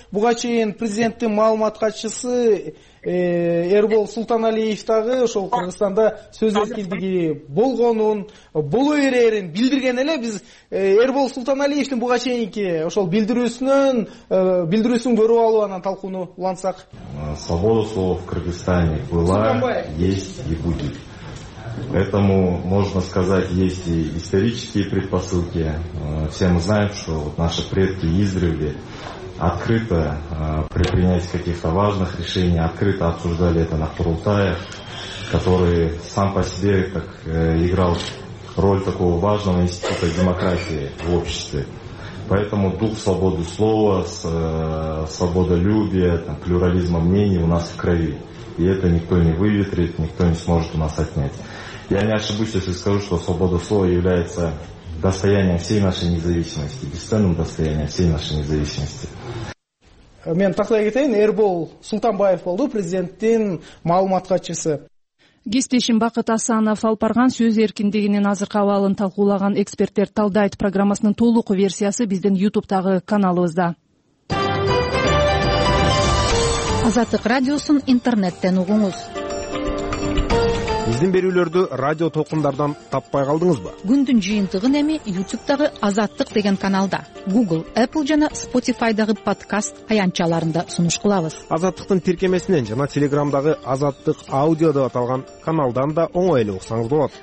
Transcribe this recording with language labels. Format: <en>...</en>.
<ky>Буга чейин президенттин маалымат катчысы Эрбол Султаналиев дагы ошол Кыргызстанда сөз эркиндиги болгонун, боло берэрин билдирген эле. Биз Эрбол Султаналиевдин буга чейинки ошол билдирүүсүн көрүп алып анан талкууну улантсак.</ky> <ru>Свобода слова в Кыргызстане была, есть и будет. Поэтому, можно сказать, есть и исторические предпосылки. Все мы знаем, что наши предки издревле открыто при принятии каких-то важных решений, открыто обсуждали это на Курултаях, который сам по себе так играл роль такого важного института демократии в обществе. Поэтому дух свободы слова, свободолюбие, там, плюрализма мнений у нас в крови. И это никто не выветрит, никто не сможет у нас отнять. Я не ошибусь, если скажу, что свобода слова является достоянием всей нашей независимости, бесценным достоянием всей нашей независимости.</ru> <ky>Мен тактай кетейин, Эрбол Султанбаев болду, президенттин маалымат катчысы. Кесиптешим Бакыт Асанов алпарган сөз эркиндигинин азыркы абалын талкуулаган эксперттер талдайт программасынын толук версиясы биздин YouTube-тагы каналыбызда. Азаттык радиосун интернеттен угуңуз. Биздин берүүлөрдү радио толкундардан таппай калдыңызбы? Күндүн жыйынтыгын эми YouTube-тагы Азаттык деген каналда, Google, Apple жана Spotify-дагы подкаст аянтчаларында сунуш кылабыз. Азаттыктын тиркемесинен жана Telegram-дагы Азаттык аудио деп аталган каналдан да оңой эле уксаңыз болот.</ky>